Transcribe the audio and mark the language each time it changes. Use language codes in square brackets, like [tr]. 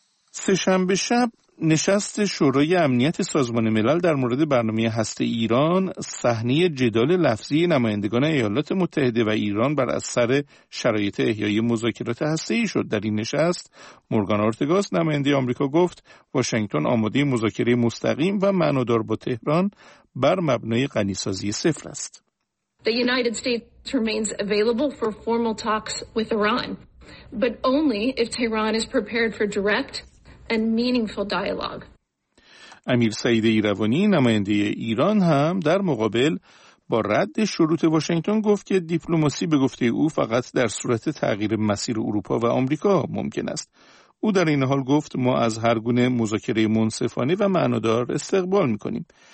[fa] سه‌شنبه شب نشست شورای امنیت سازمان ملل در مورد برنامه هسته ایران صحنه جدال لفظی نمایندگان ایالات متحده و ایران بر اثر شرایط احیای مذاکرات هسته‌ای شد. در این نشست مورگان اورتگاس نماینده آمریکا گفت واشنگتن آماده مذاکره مستقیم و معنادار با تهران بر مبنای غنی‌سازی صفر است. [en] The United States remains available for formal talks with Iran, but only if Tehran is prepared for direct and meaningful dialogue. [fa] امیر سعید ایروانی نماینده ایران هم در مقابل با رد شروط واشنگتن گفت که دیپلماسی به گفته او فقط در صورت تغییر مسیر اروپا و آمریکا ممکن است. او در این حال گفت ما از هر گونه مذاکره منصفانه و معنادار استقبال می‌کنیم.